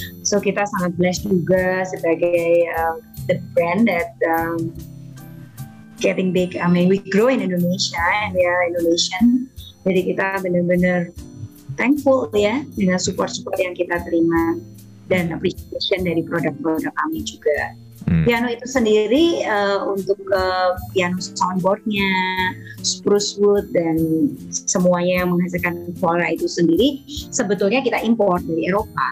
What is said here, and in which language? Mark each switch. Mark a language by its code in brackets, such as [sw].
[id] So kita sangat blessed juga sebagai [en] the brand that getting big. I mean, we grow in Indonesia and we are Indonesian. [id] Jadi kita benar-benar thankful ya dengan support-support yang kita terima dan appreciation dari produk-produk kami juga. Piano itu sendiri untuk piano soundboardnya, spruce wood dan semuanya yang menghasilkan suara itu sendiri sebetulnya kita impor dari Eropa.